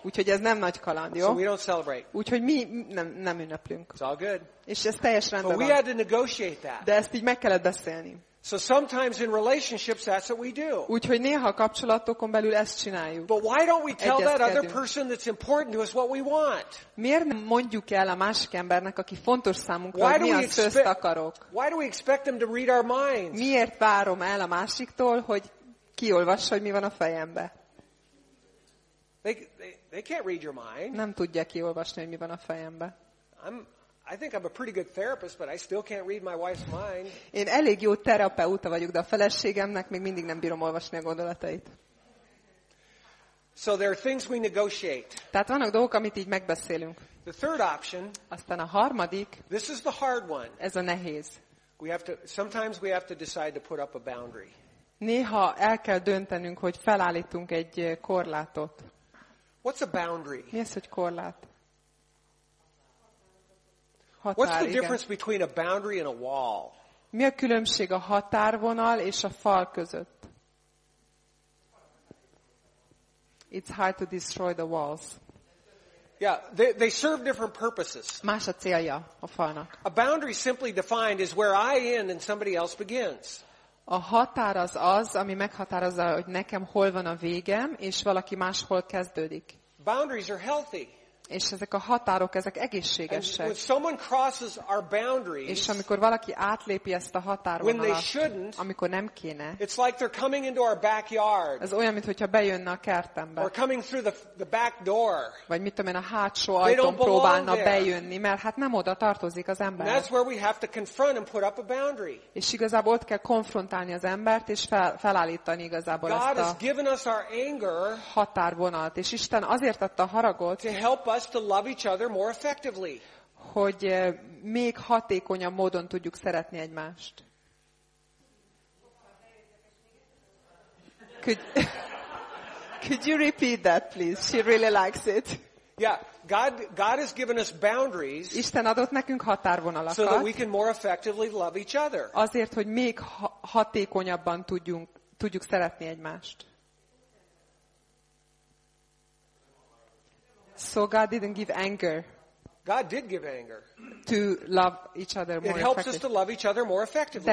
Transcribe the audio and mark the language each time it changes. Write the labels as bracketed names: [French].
[Hungarian] Úgyhogy ez nem nagy kaland, jó? [English] So we don't celebrate. [Hungarian] Úgyhogy mi nem ünneplünk. [English] It's all good. [Hungarian] És ez teljes rendben [English] but [Hungarian] van. [English] We had to negotiate that. [Hungarian] De ezt így meg kellett beszélni. [English] So sometimes in relationships that's what we do. [Hungarian] Úgyhogy néha kapcsolatokon belül ezt csináljuk. [English] But why don't we tell that other person that's important to us what we want? [Hungarian] Miért nem mondjuk el a másik embernek, aki fontos számunkra, hogy mi azt ezt akarok? [English] Why do we expect them to read our minds? [Hungarian] Miért várom el a másiktól, hogy kiolvassa, hogy mi van a fejembe? [English] They can't read your mind. [Hungarian] Nem tudja kiolvasni, hogy mi van a fejembe. [English] I think I'm a pretty good therapist, but I still can't read my wife's mind. [Hungarian] Én elég jó terapeuta vagyok, de a feleségemnek még mindig nem bírom olvasni a gondolatait. [English] So there are things we negotiate. [Hungarian] Tehát vannak dolgok, amit így megbeszélünk. [English] The third option. [Hungarian] Aztán a harmadik. [English] This is the hard one. [Hungarian] Ez a nehéz. [English] We have to. Sometimes we have to decide to put up a boundary. [Hungarian] Néha el kell döntenünk, hogy felállítunk egy korlátot. [English] What's a boundary? [Hungarian] Mi az, hogy korlát? Határ, [English] what's the difference between a boundary and a wall? [Hungarian] Mi a különbség a határvonal és a fal között? [English] It's hard to destroy the walls. Yeah, they serve different purposes. [Hungarian] Más a célja a falnak. [English] A boundary simply defined is where I end and somebody else begins. [Hungarian] A határ az az, ami meghatározza, hogy nekem hol van a végem, és valaki máshol kezdődik. [English] Boundaries are healthy. [Hungarian] És ezek a határok, ezek egészségesek. [English] When someone crosses our boundaries, [Hungarian] és amikor valaki átlépi ezt a határvonalat, amikor nem kéne, [English] it's like they're coming into our backyard, [Hungarian] ez olyan, mintha bejönne a kertembe. [English] Or coming through the back door. [Hungarian] Vagy mit tudom én, a hátsó ajtón próbálna bejönni, mert hát nem oda tartozik az ember. [English] And that's where we have to confront and put up a boundary. [Hungarian] És igazából ott kell konfrontálni az embert, és felállítani igazából [English] God [Hungarian] ezt a [English] has given us our anger, [Hungarian] határvonalt. És Isten azért adta a haragot, [English] us to love each other more effectively. [Hungarian] Hogy még hatékonyabb módon tudjuk szeretni egymást. [English] Could you repeat that please? She really likes it. Yeah, God has given us boundaries. [Hungarian] Isten adott nekünk határvonalakat. [English] So that we can more effectively love each other. [Hungarian] Azért, hogy még hatékonyabban tudjuk szeretni egymást. [English] So God didn't give anger. God did give anger. To love each other more effectively. It helps us to love each other more effectively.